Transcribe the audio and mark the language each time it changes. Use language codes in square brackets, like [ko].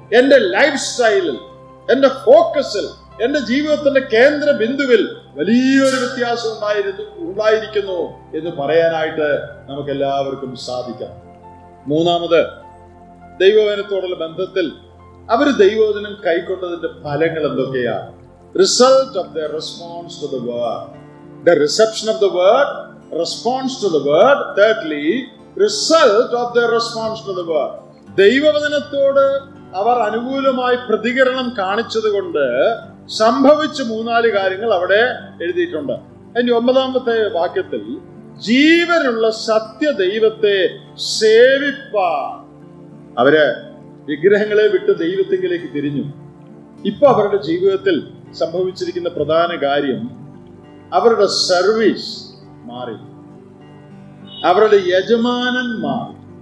[ml] എന്റെ ലൈഫ് സ്റ്റൈലിൽ, എന്റെ ഫോക്കസിൽ, എന്റെ ജീവിതത്തിന്റെ കേന്ദ്ര ബിന്ദുവിൽ വലിയൊരു വ്യത്യാസം ഉണ്ടായിരിക്കുന്നു എന്ന് പറയാനായിട്ട് നമുക്ക് എല്ലാവർക്കും സാധിക്കാം. മൂന്നാമത്, ദൈവവചനത്തോടുള്ള ബന്ധത്തിൽ അവർ ദൈവവചനം കൈക്കൊണ്ടതിന്റെ ഫലങ്ങൾ എന്തൊക്കെയാണ്? [en] Result of their response to the word. The reception of the word, response to the word. Thirdly, result of their response to the word. [ml] ദൈവവചനത്തോട് അവർ അനുകൂലമായി പ്രതികരണം കാണിച്ചതുകൊണ്ട് സംഭവിച്ച മൂന്നാല് കാര്യങ്ങൾ അവിടെ എഴുതിയിട്ടുണ്ട്. അതിന്റെ ഒമ്പതാമത്തെ വാക്യത്തിൽ, ജീവനുള്ള സത്യ ദൈവത്തെ സേവിപ്പാൻ. അവര് വിഗ്രഹങ്ങളെ വിട്ട് ദൈവത്തിങ്കിലേക്ക് തിരിഞ്ഞു. ഇപ്പൊ അവരുടെ ജീവിതത്തിൽ സംഭവിച്ചിരിക്കുന്ന പ്രധാന കാര്യം, അവരുടെ സർവീസ് മാറി, അവരുടെ യജമാനൻ മാറി.